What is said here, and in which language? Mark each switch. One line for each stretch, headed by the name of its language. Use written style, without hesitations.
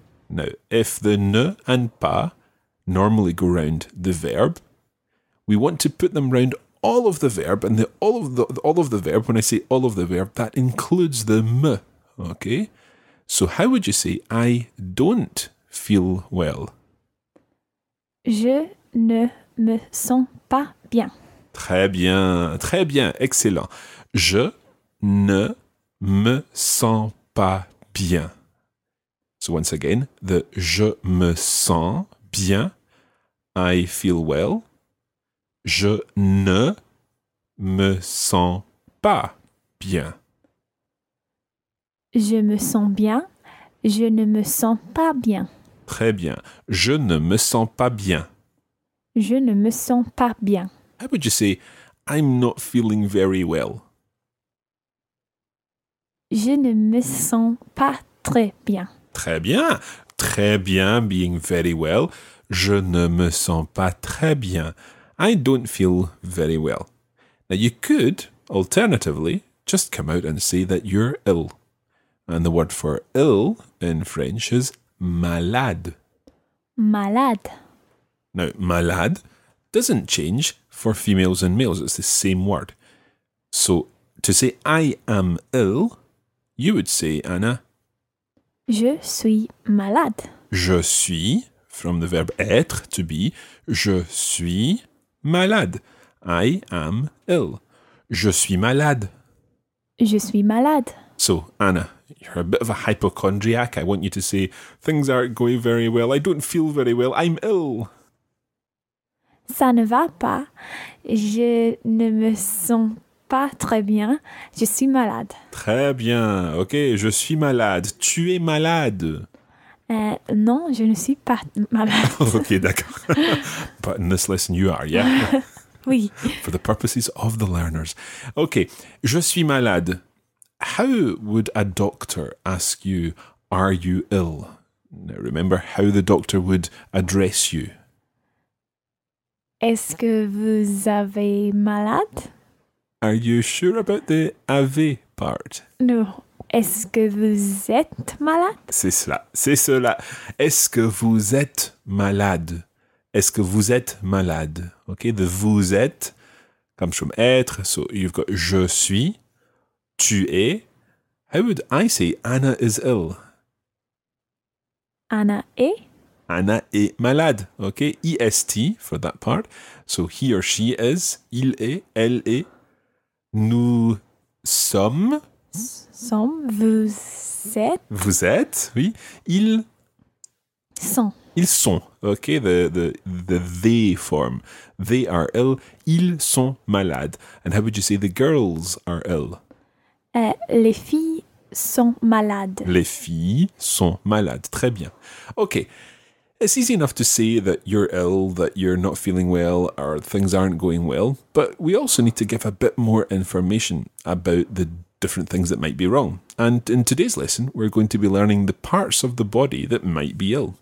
English: Now, if the ne and pas normally go round the verb, we want to put them round all of the verb, and the all of the verb, when I say all of the verb, that includes the m, okay? So how would you say I don't feel well?
French: Je ne me sens pas bien. Très bien, très bien, excellent. Je ne me sens pas bien.
English: So once again, the
French: je me sens bien,
English: I feel well.
French: Je ne me sens pas bien. Je me sens bien, je ne me sens pas bien. Très bien. Je ne me sens pas bien. Je ne me sens pas bien.
English: How would you say, I'm not feeling very well?
French: Je ne me sens pas très bien. Très bien. Très bien,
English: being very well.
French: Je ne me sens pas très bien.
English: I don't feel very well. Now, you could, alternatively, just come out and say that you're ill. And the word for ill in French is malade. Malade. Now, malade doesn't change for females and males. It's the same word. So, to say I am ill, you would say, Anna,
French: je suis malade. Je suis,
English: from the verb
French: être,
English: to be,
French: je suis malade.
English: I am ill.
French: Je suis malade. Je suis malade.
English: So, Anna, you're a bit of a hypochondriac. I want you to say, things aren't going very well. I don't feel very well. I'm ill.
French: Ça ne va pas. Je ne me sens pas très bien. Je suis malade. Très bien. Ok, je suis malade. Tu es malade. Non, je ne suis pas malade. Ok, d'accord.
English: But in this lesson, you are, yeah?
French: Oui.
English: For the purposes of the learners. Ok,
French: je suis malade.
English: How would a doctor ask you, are you ill? Now remember how the doctor would address you.
French: Est-ce que vous avez malade?
English: Are you sure about the avez part? No.
French: Est-ce que vous êtes malade? C'est cela, c'est cela. Est-ce que vous êtes malade? Est-ce que vous êtes malade?
English: Okay, the
French: vous êtes
English: comes from être, so you've got
French: je suis. Tu es.
English: How would I say Anna is ill?
French: Anna est. Anna est malade.
English: Okay, est for that part. So he or she is.
French: Il est. Elle est. Nous sommes. Sommes. Vous êtes. Vous êtes. Oui. Ils sont. Ils sont.
English: Okay, the they form. They are ill.
French: Ils sont malades.
English: And how would you say the girls are ill?
French: Les filles sont malades. Les filles sont malades. Très bien. Okay.
English: It's easy enough to say that you're ill, that you're not feeling well, or things aren't going well. But we also need to give a bit more information about the different things that might be wrong. And in today's lesson, we're going to be learning the parts of the body that might be ill.